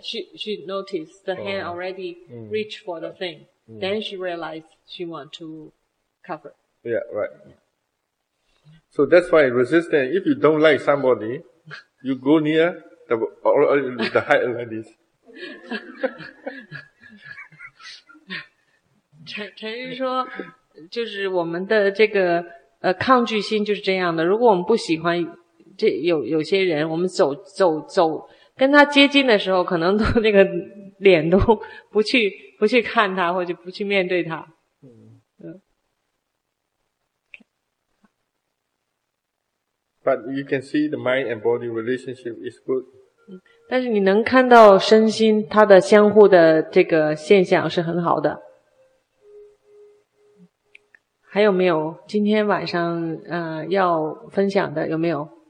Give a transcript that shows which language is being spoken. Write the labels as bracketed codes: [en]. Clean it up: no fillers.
[en] She noticed the hand already reached for the thing. Mm. Then she realized she want to cover. Yeah, right. Yeah. So that's why resistance, if you don't like somebody, you go near the height like this. [zh] Chen 说，就是我们的这个抗拒心就是这样的。如果我们不喜欢这有些人，我们走跟他接近的时候，可能都那个脸都不去看他，或者不去面对他。 [en] But you can see the mind and body relationship is good. [zh] 但是你能看到身心它的相互的这个现象是很好的。还有没有今天晚上要分享的有没有？